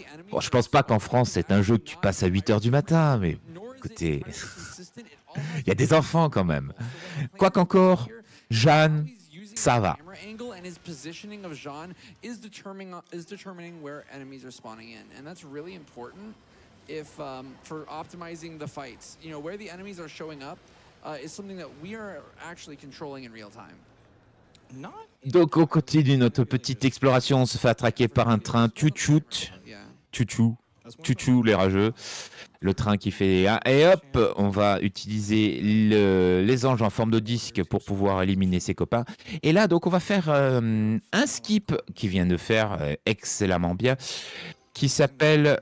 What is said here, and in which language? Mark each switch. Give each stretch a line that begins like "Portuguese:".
French: Bon, je pense pas qu'en France, c'est un jeu que tu passes à 8h du matin, mais écoutez, il y a des enfants quand même. Quoi qu'encore, Jeanne, ça va.
English: Where the enemies are showing up is something that we are actually controlling in real time.
French: Donc on continue notre petite exploration, on se fait attraquer par un train tchou-tchou, les rageux. Le train qui fait un, et hop, on va utiliser les anges en forme de disque pour pouvoir éliminer ses copains. Et là, donc, on va faire un skip qui vient de faire excellemment bien, qui s'appelle...